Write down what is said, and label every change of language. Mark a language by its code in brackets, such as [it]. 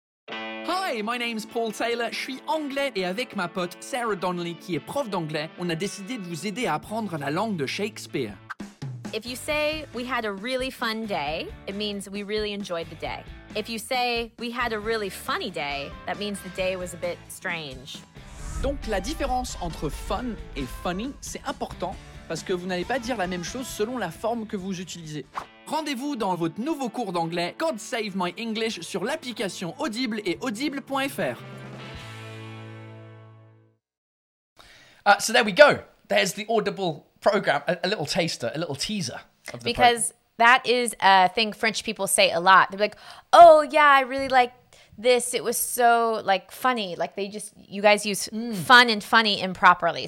[en] Hi, my name's Paul Taylor, [fr] je suis anglais et avec ma pote Sarah Donnelly, qui est prof d'anglais, on a décidé de vous aider à apprendre la langue de Shakespeare. [en] If you say, we had a really fun day, it means we really enjoyed the day. If you say, we had a really funny day, that means the day was a bit strange. [fr] Donc la différence entre fun et funny, c'est important, parce que vous n'allez pas dire la même chose selon la forme que vous utilisez. Rendez-vous dans votre nouveau cours d'anglais God Save My English sur l'application Audible et audible.fr. [en] So there we go. There's the Audible program, a little taster, a little teaser. That is a thing French people say a lot. They're like, oh, yeah, I really like this. It was so, like, funny. Like, they just, you guys use fun and funny improperly.